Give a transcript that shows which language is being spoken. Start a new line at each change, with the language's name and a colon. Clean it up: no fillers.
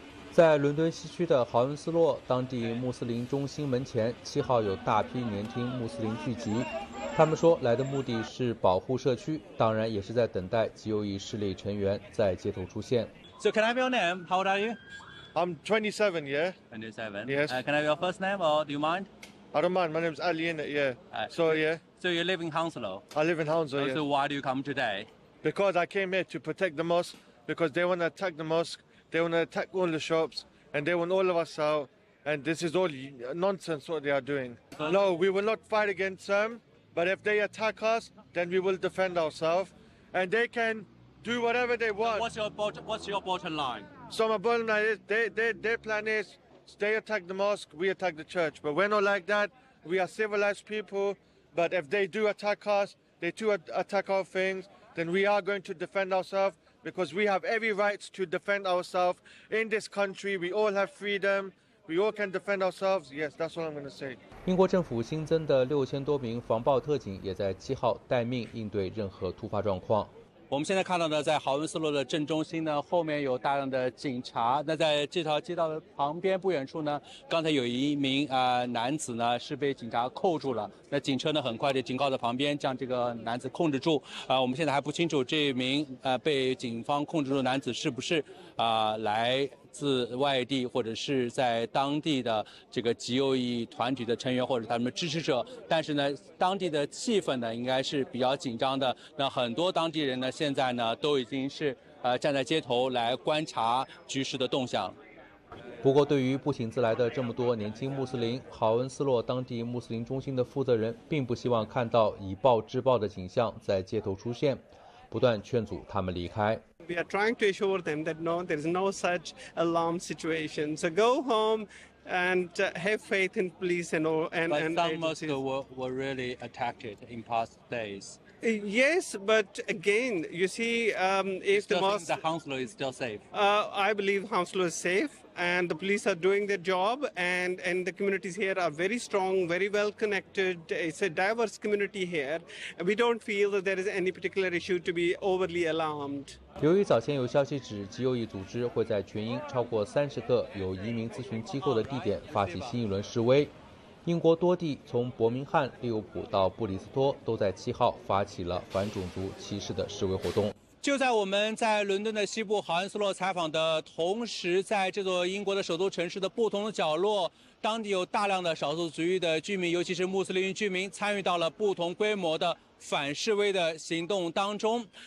Chinese: 在伦敦西区的豪恩斯洛当地穆斯林中心门前，7号有大批年轻穆斯林聚集，他们说来的目的是保护社区，当然也是在等待极右翼势力成员在街头出现。
English: So can I have your name? How old are you? I'm 27, yeah. 27? Yes. Can I have your first name or do you mind? I don't mind. My name is Ali, innit? Yeah. So, yeah. So you live in Hounslow? I live in Hounslow, yeah. So why do you come today? Because I came here to protect the mosque, because they want to attack the mosque, they want to attack all the shops, and they want all of us out, and this is all nonsense what they are doing. No, we will not fight against them, but if they attack us, then we will defend ourselves, and they can... Do whatever they want. What's your bottom line? So my bottom line is, their plan is, they attack the mosque, we attack the church. But we're not like that. We are civilized people. But if they do attack us, they do attack our things, then we are going to defend ourselves because we have every right to defend ourselves in this country. We all have freedom. We all can defend ourselves. Yes, that's what I'm going to say.
Chinese: 英国政府新增的6000多名防暴特警也在7号待命应对任何突发状况。我们现在看到呢，在豪恩斯洛的正中心呢，后面有大量的警察。那在这条街道的旁边不远处呢，刚才有一名男子呢是被警察扣住了。那警车呢很快就停靠在旁边，将这个男子控制住。我们现在还不清楚这名被警方控制住的男子是不是来自外地或者是在当地的这个极右翼团体的成员或者他们支持者，但是呢当地的气氛呢应该是比较紧张的。那很多当地人呢现在呢都已经是站在街头来观察局势的动向。不过对于不请自来的这么多年轻穆斯林，豪恩斯洛当地穆斯林中心的负责人并不希望看到以暴制暴的景象在街头出现，不断劝阻他们离开。
English: We are trying to assure them that no, there is no such alarm situation. So go home and have faith in police and all. But some mosques were really attacked in past days. Yes, but again, you see, if the mosque, the Hounslow is still safe. I believe Hounslow is safe, and the police are doing their job, and the communities here are very strong, very well connected. It's a diverse community here. We don't feel that there is any particular issue to be overly alarmed.
Chinese: 由于早前有消息指极右翼组织会在全英超过30个有移民咨询机构的地点发起新一轮示威，英国多地从伯明翰、利物浦到布里斯托都在7号发起了反种族歧视的示威活动。就在我们在伦敦的西部豪恩斯洛采访的同时，在这座英国的首都城市的不同的角落，当地有大量的少数族裔的居民，尤其是穆斯林居民，参与到了不同规模的反示威的行动当中。